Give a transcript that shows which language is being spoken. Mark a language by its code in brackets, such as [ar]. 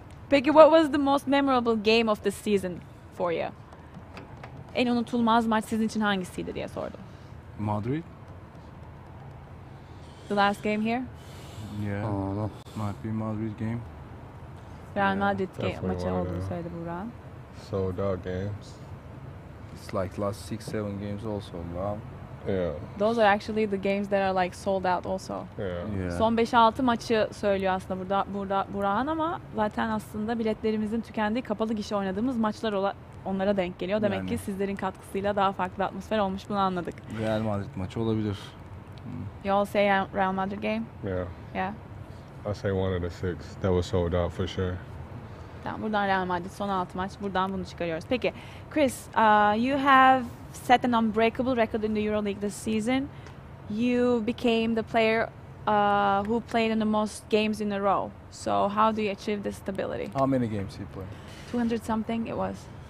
[en] Peki, what was the most memorable game of the season for you? [tr] En unutulmaz maç sizin için hangisiydi diye sordum. [en] Madrid. The last game here? Yeah. Oh, no. Might be Madrid game. [tr] Real Madrid maçı olduğunu söyledi Burak. [en] So, dog games. It's like last 6-7 games also, wow. Yeah. Those are actually the games that are like sold out also. Yeah. [tr] Son 5-6 maçı söylüyor aslında burada Burak'ın ama zaten aslında biletlerimizin tükendiği kapalı gişe oynadığımız maçlar onlara denk geliyor. Demek yani. Ki sizlerin katkısıyla daha farklı atmosfer olmuş bunu anladık. Real Madrid maçı olabilir. [en] You all say Real Madrid game? Yeah. Yeah. I say one of the six that was sold out for sure. [tr] Tamam, buradan Real Madrid son 6 maç buradan bunu çıkarıyoruz. [en] Peki Chris, you have set an unbreakable record in the EuroLeague this season. You became the player who played in the most games in a row. So how do you achieve this stability? How many games you played? 200 something it was.